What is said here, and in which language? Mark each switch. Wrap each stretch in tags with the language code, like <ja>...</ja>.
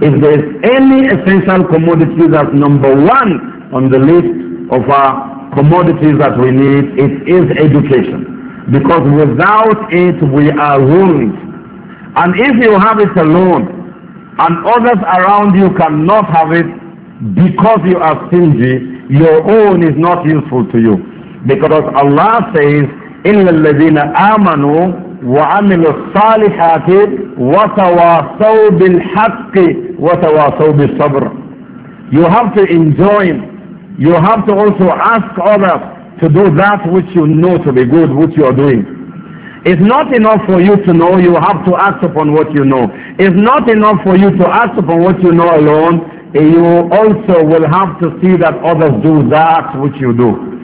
<en>If there is any essential commodity that's number one on the list of our commodities that we need, it is education. Because without it, we are ruined. And if you have it alone, and others around you cannot have it because you are stingy, your own is not useful to you. Because Allah says,</en> <ar>إِلَّا الَّذِينَ آمَنُوا وَعَمِلُوا الصَّالِحَاتِ وَتَوَاصَوْا بِالْحَقِّ وَتَوَاصَوْا بِالصَّبْرِ.</ar> <en>You have to enjoin. You have to also ask others to do that which you know to be good, which you are doing. It's not enough for you to know, you have to act upon what you know. It's not enough for you to act upon what you know alone, you also will have to see that others do that which you do.</en>